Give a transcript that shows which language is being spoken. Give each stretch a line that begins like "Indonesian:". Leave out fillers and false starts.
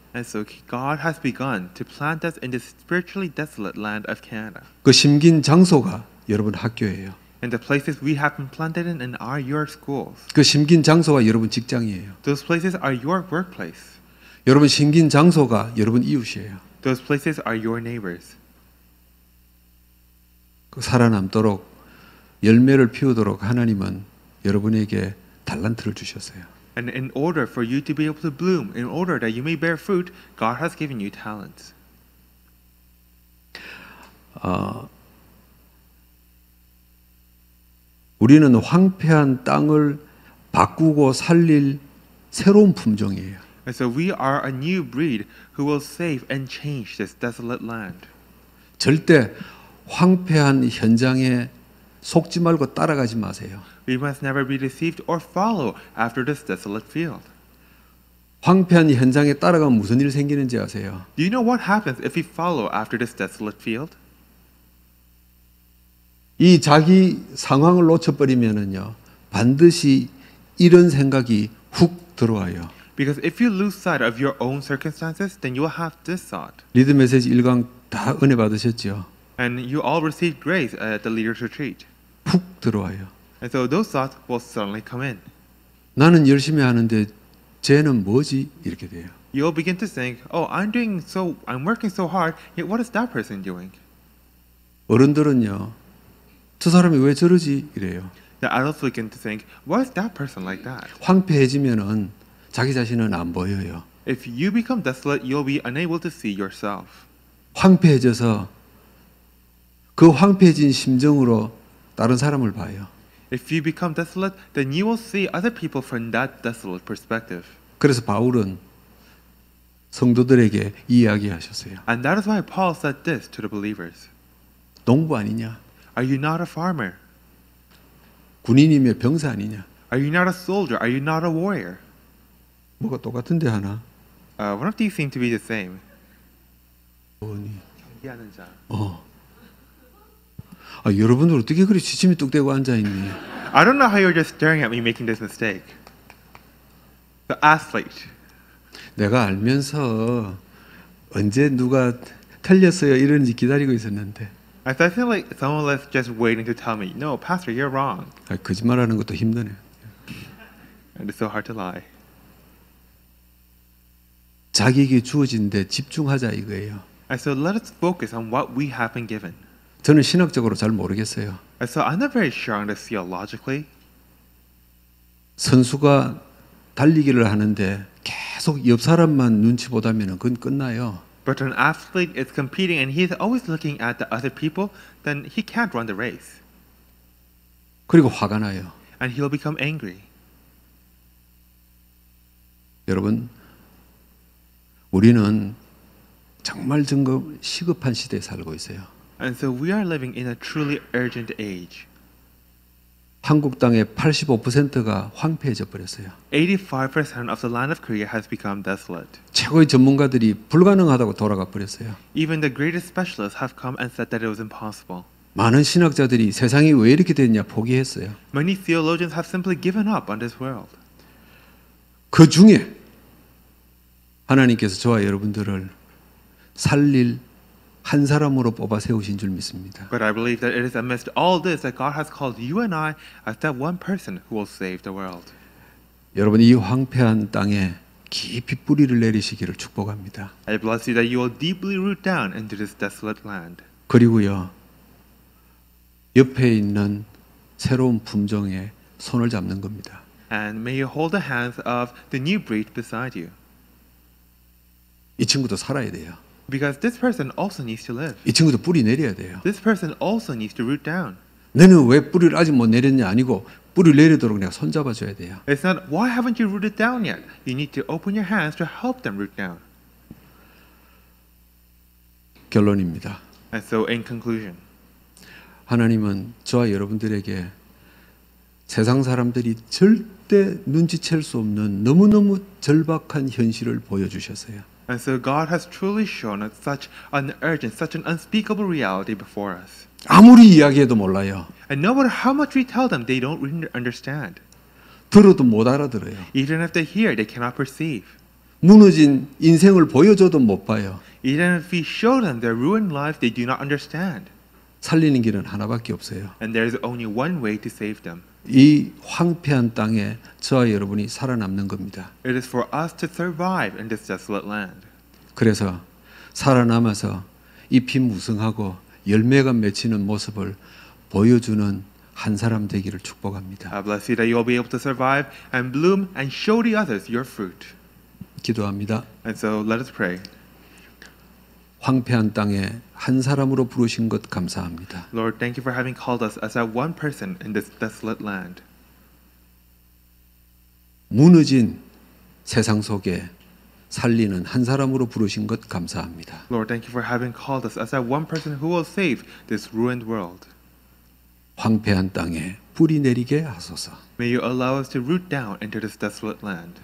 English: And so God has begun to plant us in this spiritually desolate land of Canada.
Korean: 그 심긴 장소가 여러분 학교예요.
English: And the places we have been planted in are your schools.
Korean: 그 심긴 장소가 여러분 직장이에요.
English: Those places are your workplace.
Korean: 여러분 심긴 장소가 여러분 이웃이에요.
English: Those places are your neighbors.
Korean: 그 살아남도록 열매를 피우도록 하나님은 여러분에게 달란트를 주셨어요.
English: And in order for you to be able to bloom, in order that you may bear fruit, God has given you talents.
Korean: 우리는 황폐한 땅을 바꾸고 살릴 새로운 품종이에요.
English: And so we are a new breed who will save and change this desolate land.
Korean: 절대 황폐한 현장에 속지 말고 따라가지 마세요.
English: We must never be deceived or follow after this desolate field.
Korean: 황폐한 현장에 따라가면 무슨 일 생기는지 아세요?
English: Do you know what happens if we follow after this desolate field?
Korean: 이 자기 상황을 놓쳐버리면은요, 반드시 이런 생각이 훅 들어와요.
English: Because if you lose sight of your own circumstances, then you will have this thought.
Korean: 리드 메시지 1강 다 은혜 받으셨죠?
English: And you all received grace at the leader's retreat.
Korean: 훅 들어와요.
English: And so those thoughts will suddenly come in.
Korean: 나는 열심히 하는데 쟤는 뭐지? 이렇게 돼요.
English: You'll begin to think, oh, I'm working so hard, yet what is that person doing?
Korean: 어른들은요, 저 사람이 왜 저러지? 이래요.
English: The adults begin to think, why is that person like that?
Korean: 황폐해지면은 자기 자신은 안 보여요.
English: If you become desolate, you'll be unable to see yourself.
Korean: 황폐해져서 그 황폐해진 심정으로 다른 사람을 봐요.
English: If you become desolate, then you will see other people from that desolate perspective.
Korean: 그래서 바울은 성도들에게 이야기하셨어요.
English: And that is why Paul said this to the believers.
Korean: 농부 아니냐?
English: Are you not a farmer?
Korean: 군인이며 병사 아니냐?
English: Are you not a soldier? Are you not a warrior?
Korean: 뭐가 똑같은데 하나?
English: One of these seem to be the same.
Korean: 뭐니? 얘기하는 자. 아, 여러분들 어떻게 그렇게 지침이 뚝대고 앉아 있니?
English: I don't know how you're just staring at me making this mistake. The athlete.
Korean: 내가 알면서 언제 누가 틀렸어요 이런지 기다리고 있었는데.
English: I felt like someone was just waiting to tell me, "No, pastor, you're wrong."
Korean: 아, 거짓말하는 것도 힘드네.
English: And it's so hard to lie.
Korean: 자기에게 주어진 데 집중하자 이거예요.
English: And so let us focus on what we have been given.
Korean: 저는 신학적으로 잘 모르겠어요.
English: And so I'm not very sure on this theologically.
Korean: 선수가 달리기를 하는데 계속 옆 사람만 눈치 보다면은 그건 끝나요.
English: But an athlete is competing and he's always looking at the other people, then he can't run the race.
Korean: 그리고 화가 나요.
English: And he'll become angry.
Korean: 여러분, 우리는 정말 지금 시급한 시대에 살고 있어요.
English: And so we are living in a truly urgent age.
Korean: 한국 땅의 85%가 황폐해져 버렸어요.
English: 85% of the land of Korea has become desolate.
Korean: 최고의 전문가들이 불가능하다고 돌아가 버렸어요.
English: Even the greatest specialists have come and said that it was impossible.
Korean: 많은 신학자들이 세상이 왜 이렇게 됐냐 포기했어요.
English: Many theologians have simply given up on this world.
Korean: 그 중에 하나님께서 저와 여러분들을 살릴 한 사람으로 뽑아 세우신 줄 믿습니다.
English: But I believe that it is amidst all this that God has called you and I as that one person who will save the world.
Korean: 여러분, 이 황폐한 땅에 깊이 뿌리를 내리시기를 축복합니다.
English: I bless you that you will deeply root down into this desolate land.
Korean: 그리고요, 옆에 있는 새로운 품종에 손을 잡는 겁니다.
English: And may you hold the hands of the new breed beside you.
Korean: 이 친구도 살아야 돼요.
English: Because this person also needs to live.
Korean: 이 친구도 뿌리 내려야 돼요.
English: This person also needs to root down.
Korean: 너는 왜 뿌리를 아직 못 내렸냐 아니고 뿌리 내리도록 내가 손잡아 줘야 돼요.
English: It's not why haven't you rooted down yet? You need to open your hands to help them root down.
Korean: 결론입니다.
English: And so in conclusion.
Korean: 하나님은 저와 여러분들에게 세상 사람들이 절대 눈치챌 수 없는 너무너무 절박한 현실을 보여주셨어요.
English: And so God has truly shown us such an urgent, such an unspeakable reality before us.
Korean: 아무리 이야기해도 몰라요.
English: And no matter how much we tell them, they don't understand.
Korean: 들어도 못 알아들어요.
English: Even if they hear, they cannot perceive.
Korean: 무너진 인생을 보여줘도 못 봐요.
English: Even if we show them their ruined life, they do not understand.
Korean: 살리는 길은 하나밖에 없어요.
English: And there is only one way to save them.
Korean: 이 황폐한 땅에 저와 여러분이 살아남는 겁니다.
English: It is for us to survive in this desolate land.
Korean: 그래서 살아남아서 잎이 무성하고 열매가 맺히는 모습을 보여주는 한 사람 되기를 축복합니다.
English: I bless you that you will be able to survive and bloom and show the others your fruit.
Korean: 기도합니다.
English: And so let us pray.
Korean: 황폐한 땅에 한 사람으로 부르신 것 감사합니다.
English: Lord, thank you for having called us as that one person in this desolate land.
Korean: 무너진 세상 속에 살리는 한 사람으로 부르신 것 감사합니다.
English: Lord, thank you for having called us as that one person who will save this ruined world.
Korean: 황폐한 땅에 뿌리 내리게 하소서.
English: May you allow us to root down into this desolate land.